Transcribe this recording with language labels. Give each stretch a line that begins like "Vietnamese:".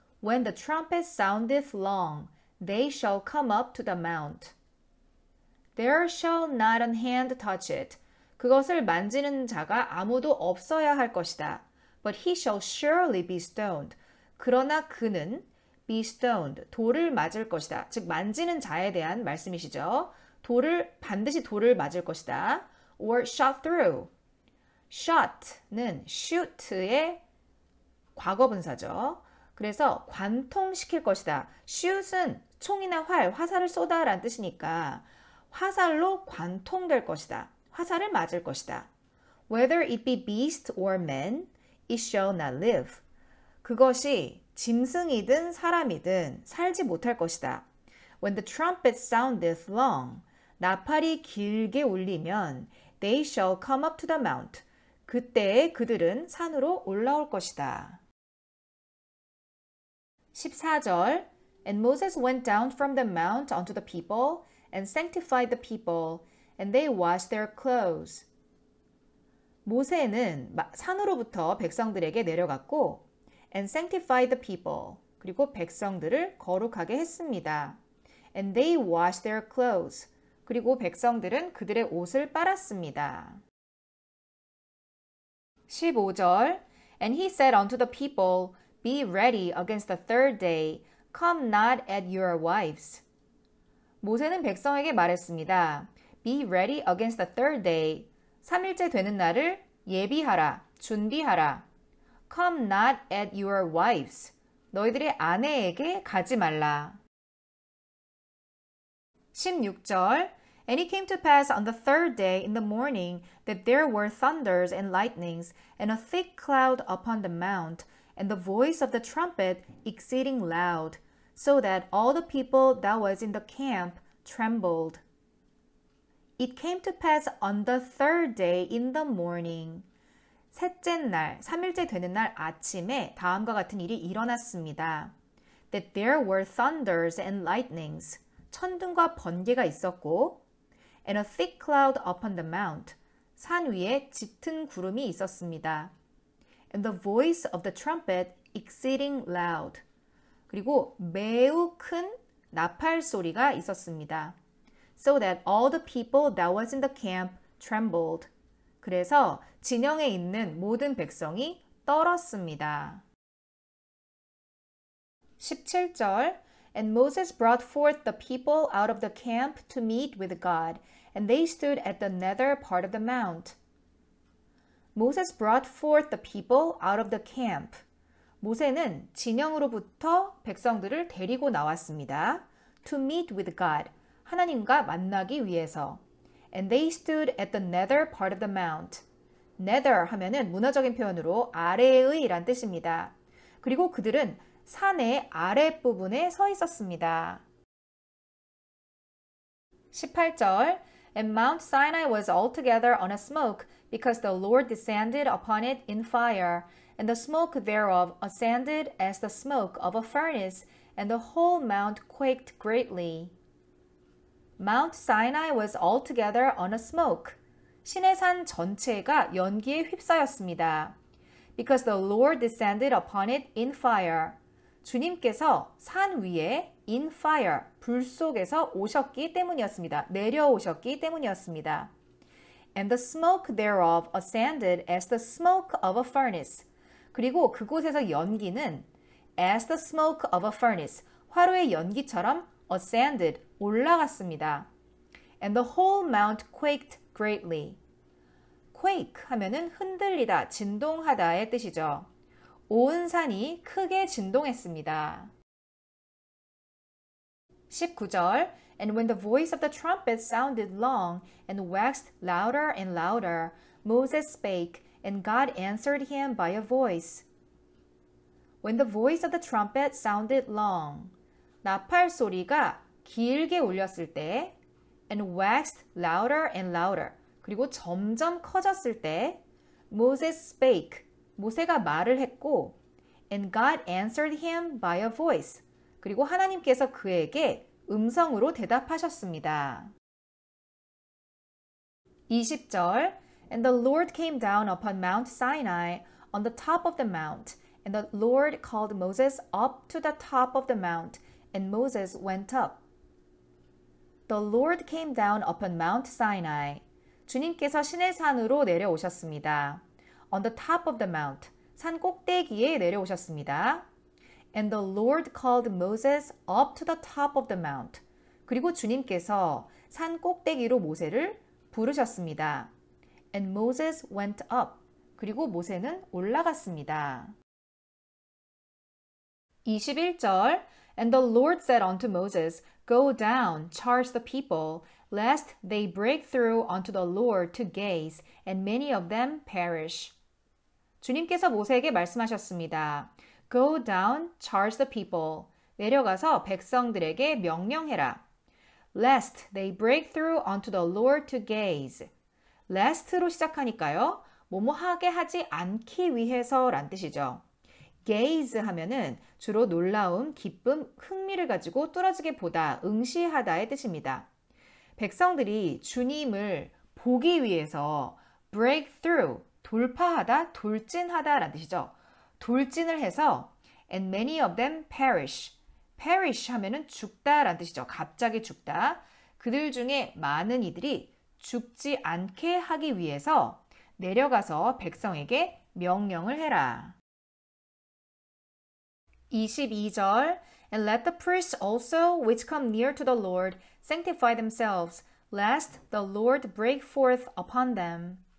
English: When the trumpet soundeth long, they shall come up to the mount. There shall not an hand touch it.
Korean: 그것을 만지는 자가 아무도 없어야 할 것이다.
English: But he shall surely be stoned.
Korean: 그러나 그는
English: be stoned,
Korean: 돌을 맞을 것이다. 즉, 만지는 자에 대한 말씀이시죠. 돌을, 반드시 돌을 맞을 것이다.
English: or shot through. shot는 shoot의
Korean: 과거분사죠. 그래서 관통시킬 것이다. shoot은 총이나 활, 화살을 쏘다라는 뜻이니까 화살로 관통될 것이다. 화살을 맞을 것이다.
English: whether it be beast or man, it shall not live.
Korean: 그것이 짐승이든 사람이든 살지 못할 것이다.
English: When the trumpet soundeth long,
Korean: 나팔이 길게 울리면
English: they shall come up to the mount.
Korean: 그때 그들은 산으로 올라올 것이다.
English: 14절 And Moses went down from the mount unto the people and sanctified the people, and they washed their clothes.
Korean: 모세는 산으로부터 백성들에게 내려갔고
English: and sanctify the people,
Korean: 그리고 백성들을 거룩하게 했습니다.
English: and they wash their clothes,
Korean: 그리고 백성들은 그들의 옷을 빨았습니다.
English: 15절, And he said unto the people, Be ready against the third day, come not at your wives.
Korean: 모세는 백성에게 말했습니다.
English: Be ready against the third day,
Korean: 3일째 되는 날을 예비하라, 준비하라.
English: Come not at your wives.
Korean: 너희들의 아내에게 가지 말라.
English: 16절 And it came to pass on the third day in the morning that there were thunders and lightnings and a thick cloud upon the mount and the voice of the trumpet exceeding loud so that all the people that was in the camp trembled. It came to pass on the third day in the morning.
Korean: 셋째 날, 3일째 되는 날 아침에 다음과 같은 일이 일어났습니다.
English: That there were thunders and lightnings.
Korean: 천둥과 번개가 있었고
English: and a thick cloud upon the mount.
Korean: 산 위에 짙은 구름이 있었습니다.
English: And the voice of the trumpet exceeding loud.
Korean: 그리고 매우 큰 나팔 소리가 있었습니다.
English: So that all the people that was in the camp trembled.
Korean: 그래서 진영에 있는 모든 백성이 떨었습니다.
English: 17절 And Moses brought forth the people out of the camp to meet with God, and they stood at the nether part of the mount. Moses brought forth the people out of the camp.
Korean: 모세는 진영으로부터 백성들을 데리고 나왔습니다.
English: To meet with God,
Korean: 하나님과 만나기 위해서.
English: And they stood at the nether part of the mount.
Korean: Nether 하면은 문화적인 표현으로 아래의 란 뜻입니다. 그리고 그들은 산의 아랫부분에 서 있었습니다.
English: 18절 And Mount Sinai was altogether on a smoke because the Lord descended upon it in fire and the smoke thereof ascended as the smoke of a furnace and the whole mount quaked greatly. Mount Sinai was altogether on a smoke.
Korean: 시내산 전체가 연기에 휩싸였습니다.
English: Because the Lord descended upon it in fire.
Korean: 주님께서 산 위에
English: in fire,
Korean: 불 속에서 오셨기 때문이었습니다. 내려오셨기 때문이었습니다.
English: And the smoke thereof ascended as the smoke of a furnace.
Korean: 그리고 그곳에서 연기는
English: as the smoke of a furnace,
Korean: 화로의 연기처럼
English: ascended,
Korean: 올라갔습니다.
English: And the whole mount quaked greatly. Quake
Korean: 하면은 흔들리다, 진동하다의 뜻이죠. 온 산이 크게 진동했습니다.
English: 19절 And when the voice of the trumpet sounded long and waxed louder and louder, Moses spake, and God answered him by a voice. When the voice of the trumpet sounded long,
Korean: 나팔 소리가 길게 울렸을 때,
English: and waxed louder and louder,
Korean: 그리고 점점 커졌을 때,
English: Moses spake,
Korean: 모세가 말을 했고,
English: and God answered him by a voice,
Korean: 그리고 하나님께서 그에게 음성으로 대답하셨습니다.
English: 20절 And the Lord came down upon Mount Sinai on the top of the mount, and the Lord called Moses up to the top of the mount, and Moses went up. The Lord came down upon Mount Sinai.
Korean: 주님께서 시내산으로 내려오셨습니다.
English: On the top of the mount,
Korean: 산 꼭대기에 내려오셨습니다.
English: And the Lord called Moses up to the top of the mount.
Korean: 그리고 주님께서 산 꼭대기로 모세를 부르셨습니다.
English: And Moses went up.
Korean: 그리고 모세는 올라갔습니다.
English: 21절 And the Lord said unto Moses, Go down, charge the people, lest they break through unto the Lord to gaze, and many of them perish.
Korean: 주님께서 모세에게 말씀하셨습니다.
English: Go down, charge the people.
Korean: 내려가서 백성들에게 명령해라.
English: Lest they break through unto the Lord to gaze.
Korean: Lest로 시작하니까요. 뭐뭐하게 하지 않기 위해서란 뜻이죠. Gaze 하면은 주로 놀라움, 기쁨, 흥미를 가지고 뚫어지게 보다, 응시하다의 뜻입니다. 백성들이 주님을 보기 위해서
English: break through,
Korean: 돌파하다, 돌진하다란 뜻이죠. 돌진을 해서
English: and many of them perish.
Korean: perish 하면은 죽다란 뜻이죠. 갑자기 죽다. 그들 중에 많은 이들이 죽지 않게 하기 위해서 내려가서 백성에게 명령을 해라.
English: 22절 And let the priests also which come near to the Lord sanctify themselves, lest the Lord break forth upon them.